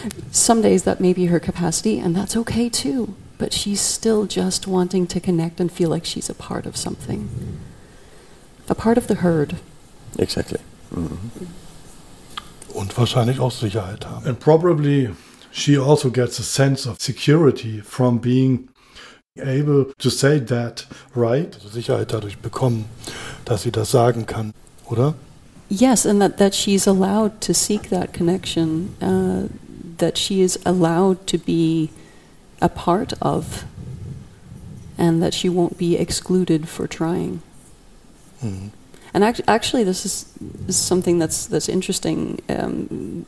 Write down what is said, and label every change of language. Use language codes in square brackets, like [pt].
[en] Some days that may be her capacity, and that's okay too. But she's still just wanting to connect and feel like she's a part of something. A part of the herd. Exactly. [de] Mm-hmm. Und wahrscheinlich auch Sicherheit haben. [en] And probably she also gets a sense of security from being able to say that, right? [de] Also Sicherheit dadurch bekommen, dass sie das sagen kann, oder? [en] Yes, and that she's allowed to seek that connection, that she is allowed to be a part of, and that she won't be excluded for trying. Mm-hmm. And actually, this is something that's interesting.